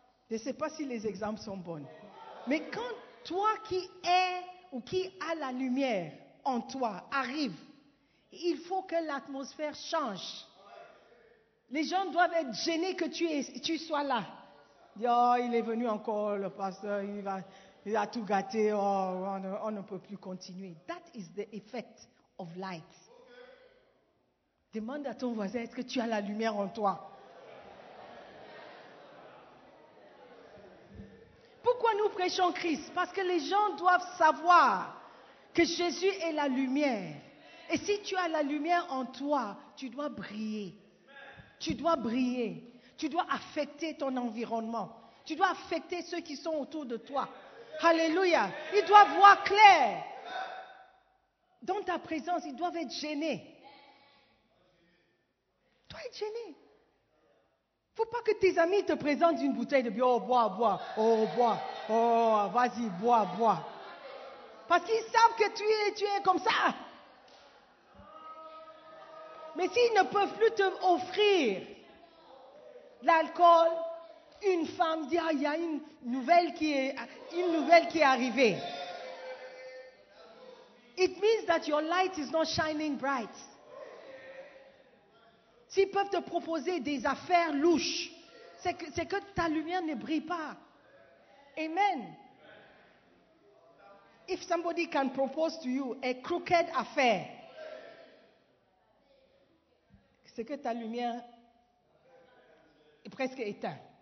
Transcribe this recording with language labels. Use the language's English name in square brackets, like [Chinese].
[French] Je ne sais pas si les exemples sont bons. Mais quand toi qui es ou qui a la lumière en toi arrive, il faut que l'atmosphère change. Les gens doivent être gênés que tu sois là. Oh, il est venu encore, le pasteur, il a tout gâté, oh, on ne peut plus continuer. [English] That is the effect of light. [French] Demande à ton voisin, est-ce que tu as la lumière en toi? Pourquoi nous prêchons Christ? Parce que les gens doivent savoir que Jésus est la lumière. Et si tu as la lumière en toi, tu dois briller. Tu dois briller. Tu dois affecter ton environnement. Tu dois affecter ceux qui sont autour de toi. Alléluia. Ils doivent voir clair. Dans ta présence, ils doivent être gênés. Tu dois être gêné. Il ne faut pas que tes amis te présentent une bouteille de bière. Oh, bois, bois. Oh, bois. Oh, vas-y, bois, bois. Parce qu'ils savent que tu es comme ça. Mais s'ils ne peuvent plus te offrir l'alcool, une femme dit, ah, il y a une nouvelle qui est arrivée. [English] It means that your light is not shining bright. [French] S'ils peuvent te proposer des affaires louches, c'est que ta lumière ne brille pas. Amen. [English] If somebody can propose to you a crooked affair, [French] c'est que ta lumière est presque éteinte.